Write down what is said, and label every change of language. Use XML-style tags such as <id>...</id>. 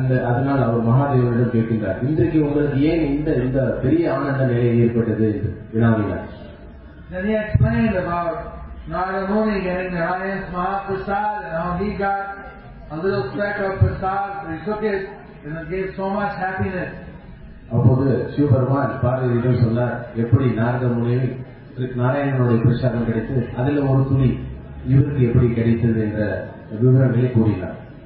<ta>அதனால் அவர் மகாதேவனிடம் கேட்கின்றார், இன்றைக்கு உங்களுக்கு ஏன் இந்த பெரிய ஆனந்த நிலை ஏற்பட்டது என்று வினாவினார்.</ta> <en>Then he explained about Narada Muni getting the highest Mahaprasad and how he got a little speck of prasad, he took it and it gave so much happiness.</en> <ta>அப்போது சிவபெருமான் பார்வதியிடம் சொன்னார், எப்படி நாரத முனிவி நாராயணனுடைய பிரசாதம் கிடைத்து அதில் ஒரு துணி இவருக்கு எப்படி கிடைத்தது என்ற விவரங்களை கூறினார்.</ta>